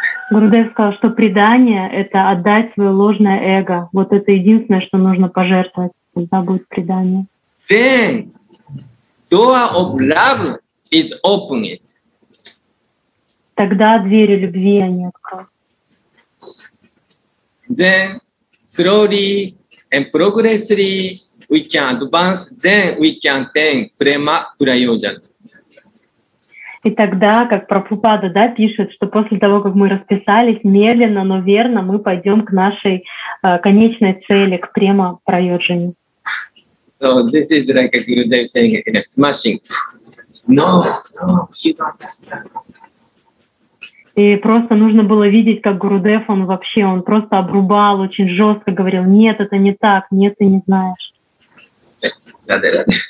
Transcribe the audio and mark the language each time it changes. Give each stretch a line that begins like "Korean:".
Russian: Гурудев сказал, что предание — это отдать свое ложное эго. Вот это единственное, что нужно пожертвовать. Тогда будет предание.
English: Then, door of love is opened.
Russian: Тогда двери любви они откроют.
English: Then slowly and progressively we can advance. Then we can attain prema prayojana.
Russian: И тогда, как Прабхупада, да, пишет, что после того, как мы расписались, медленно, но верно, мы пойдем к нашей конечной цели, к према-прайоджане.
English: So this is like a Gurudev saying in a smashing. No, no, you don't understand.
Russian: И просто нужно было видеть, как Гурудев, он вообще, он просто обрубал, очень жестко говорил, нет, это не так, нет, ты не знаешь. Да, да, да.